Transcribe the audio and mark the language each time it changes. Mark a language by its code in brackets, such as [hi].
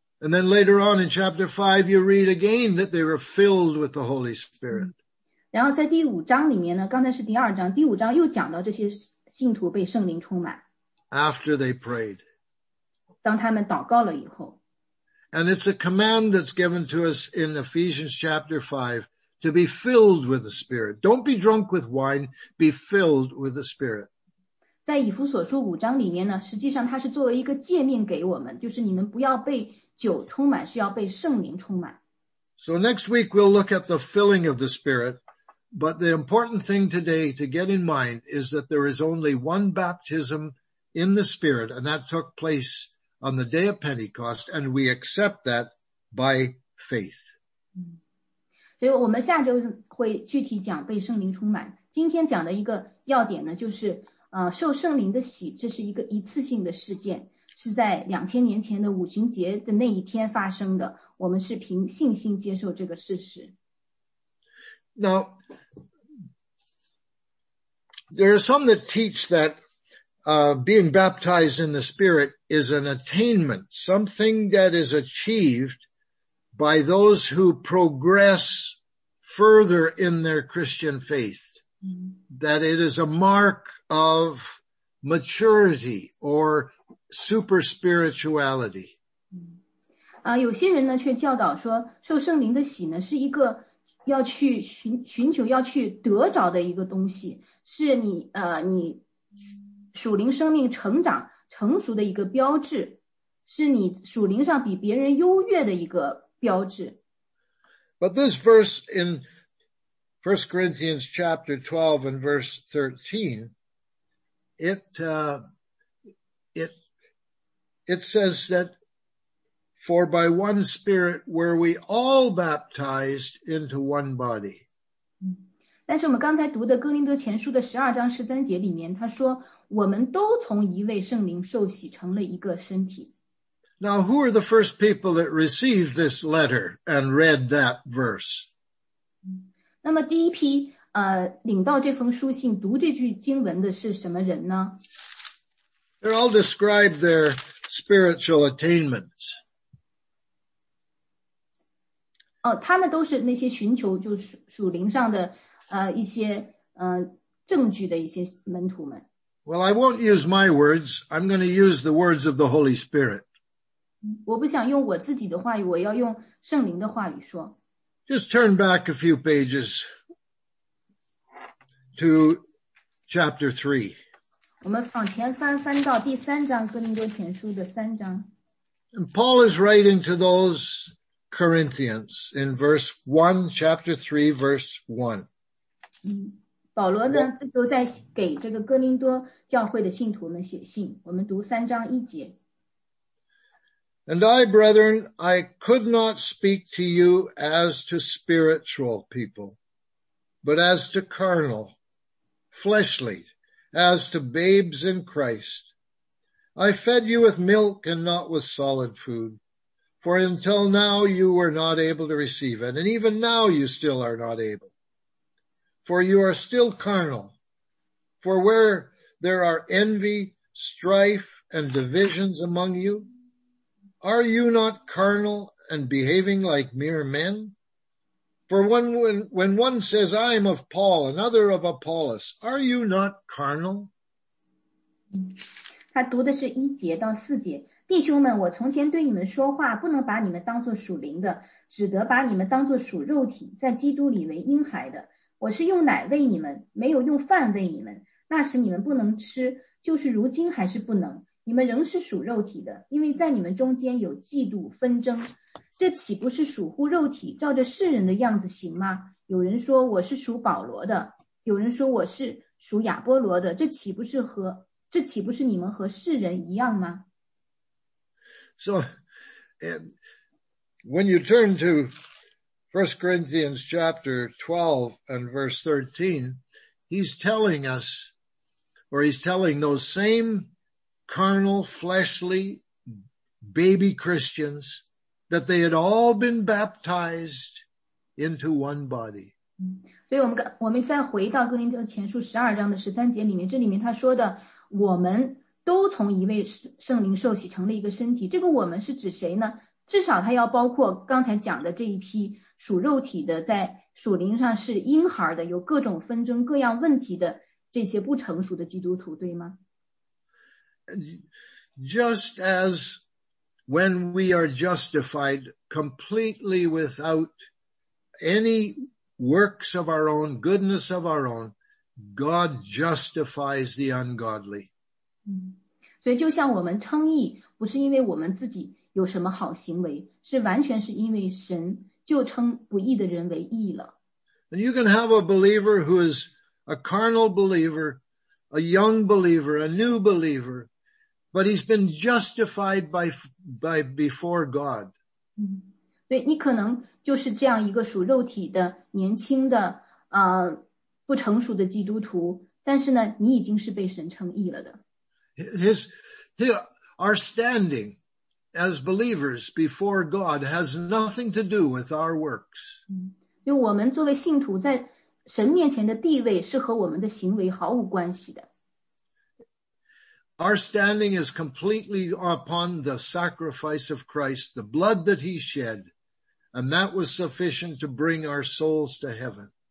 [en] And then later on in chapter 5, you read again that they were filled with the Holy Spirit. [zh] 然后在第五章里面呢，刚才是第二章，第五章又讲到这些信徒被圣灵充满。 [en] After they prayed. [zh] 当他们祷告了以后。 [en] And it's a command that's given to us in Ephesians chapter 5 to be filled with the Spirit. Don't be drunk with wine, be filled with the Spirit. [zh] 在以弗所书五章里面呢，实际上它是作为一个诫命给我们，就是你们不要被酒充满，是要被圣灵充满。 [en] So next week we'll look at the filling of the Spirit, but the important thing today to get in mind is that there is only one baptism in the Spirit, and that took place on the day of Pentecost, and we accept that by faith. [zh] 所以我们下周会具体讲被圣灵充满。今天讲的一个要点呢，就是受圣灵的洗，这是一个一次性的事件，是在2000年前的五旬节的那一天发生的，我们是凭信心接受这个事实。 [en] Now there are some that teach that being baptized in the Spirit is an attainment, something that is achieved by those who progress further in their Christian faith. that it is a mark of maturity or super spirituality. [zh] 有些人呢却教导说受圣灵的洗呢是一个要去 寻求要去得着的一个东西，是 你属灵生命成长成熟的一个标志，是你属灵上比别人优越的一个标志。 [en] But this verse in 1 Corinthians chapter 12 and verse 13, it says that for by one spirit were we all baptized into one body. [zh] 但是我们刚才读的哥林多前书的十二章十三节里面，他说我们都从一位圣灵受洗成了一个身体。 [en] Now, who are the first people that received this letter and read that verse? [zh] 那么第一批领到这封书信读这句经文的是什么人呢？ [en] They're all described their spiritual attainments. [zh] 哦，他们都是那些寻求就属灵上的一些证据的一些门徒们。 [en] Well, I won't use my words. I'm going to use the words of the Holy Spirit. [zh] 我不想用我自己的话语，我要用圣灵的话语说。 [en] Just turn back a few pages to chapter 3. [zh] 我们往前翻，翻到第三章，哥林多前书的三章。 [en] And Paul is writing to those Corinthians in verse 1, chapter 3, verse 1. [zh] 保罗呢，这时候在给这个哥林多教会的信徒们写信，我们读三章一节。 [en] And I, brethren, I could not speak to you as to spiritual people, but as to carnal, fleshly, as to babes in Christ. I fed you with milk and not with solid food, for until now you were not able to receive it, and even now you still are not able. For you are still carnal, for where there are envy, strife, and divisions among you,Are you not carnal and behaving like mere men? For when one says, I am of Paul, another of Apollos, are you not carnal? [zh] 他读的是一节到四节。弟兄们，我从前对你们说话，不能把你们当作属灵的，只得把你们当作属肉体，在基督里为婴孩的。我是用奶喂你们，没有用饭喂你们。那时你们不能吃，就是如今还是不能。你们仍是属肉体的，因为在你们中间有嫉妒纷争，这岂不是属乎肉体，照着世人的样子行吗？有人说我是属保罗的，有人说我是属亚波罗的，这岂不是你们和世人一样吗？ [en] So, when you turn to 1 Corinthians chapter 12 and verse 13, he's telling us, or he's telling those same carnal, fleshly, baby Christians, that they had all been baptized into one body. [zh] 所以我们再回到哥林多前书十二章的十三节里面，这里面他说的，我们都从一位圣灵受洗成了一个身体。这个我们是指谁呢？至少他要包括刚才讲的这一批属肉体的，在属灵上是婴孩的，有各种纷争、各样问题的这些不成熟的基督徒，对吗？ [en] Just as when we are justified completely without any works of our own, goodness of our own, God justifies the ungodly. [zh] 所以就像我们称义不是因为我们自己有什么好行为，是完全是因为神就称不义的人为义了。 [en] And you can have a believer who is a carnal believer, a young believer, a new believer,But he's been justified by before God. [zh] 对，你可能就是这样一个属肉体的年轻的不成熟的基督徒，但是呢，你已经是被神称义了的。 [en] Our standing as believers before God has nothing to do with our works. [zh] 因为我们作为信徒在神面前的地位是和我们的行为毫无关系的。 [en] Our standing is completely upon the sacrifice of Christ, the blood that he shed, and that was sufficient to bring our souls to heaven.